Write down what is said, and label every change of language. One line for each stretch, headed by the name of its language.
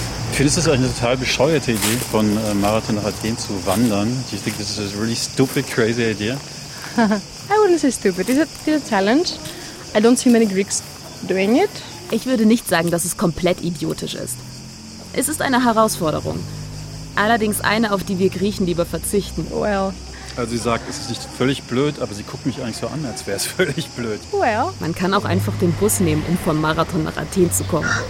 German: Ich finde, es ist eine total bescheuerte Idee, von Marathon nach Athen zu wandern.
English: Do you think this is a really stupid, crazy idea? I wouldn't say stupid. It's a challenge. I don't see many Greeks doing it.
German: Ich würde nicht sagen, dass es komplett idiotisch ist. Es ist eine Herausforderung. Allerdings eine, auf die wir Griechen lieber verzichten.
English: Well.
German: Also sie sagt, es ist nicht völlig blöd, aber sie guckt mich eigentlich so an, als wäre es völlig blöd.
English: Well.
German: Man kann auch einfach den Bus nehmen, um vom Marathon nach Athen zu kommen.